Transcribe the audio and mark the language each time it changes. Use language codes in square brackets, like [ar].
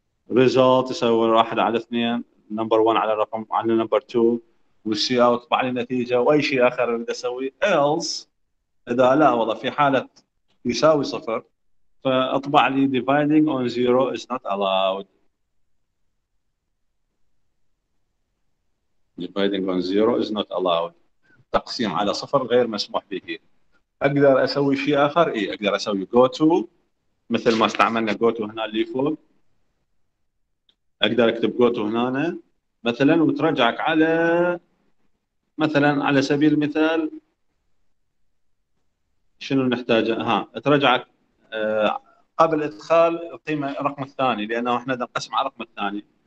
[ar] result يساوي 1 على 2 number 1 على رقم على number 2 والسي اوت طبعا النتيجة واي شيء اخر اريد اسويه else اذا لا والله في حالة يساوي صفر فاطبع لي [en] dividing on 0 is not allowed. Dividing on zero is not allowed. [ar] تقسيم على صفر غير مسموح به. أقدر أسوي شيء آخر؟ إيه أقدر أسوي go to مثل ما استعملنا go to هنا اللي فوق. أقدر أكتب go to هنا مثلا وترجعك على مثلا على سبيل المثال شنو نحتاجه؟ ها ترجعك قبل إدخال القيمة الرقم الثاني لأنه إحنا نقسم على الرقم الثاني.